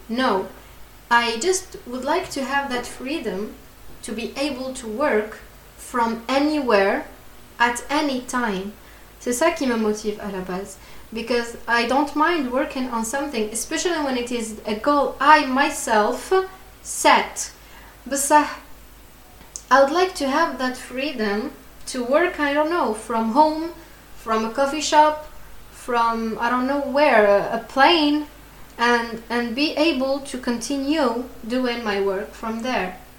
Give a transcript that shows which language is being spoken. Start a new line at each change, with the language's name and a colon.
English: No, I just would like to have that freedom to be able to work from anywhere at any time.
French: C'est ça qui me motive à la base.
English: Because I don't mind working on something, especially when it is a goal I myself set. But I would like to have that freedom to work, I don't know, from home, from a coffee shop, from, I don't know where, a plane, and be able to continue doing my work from there.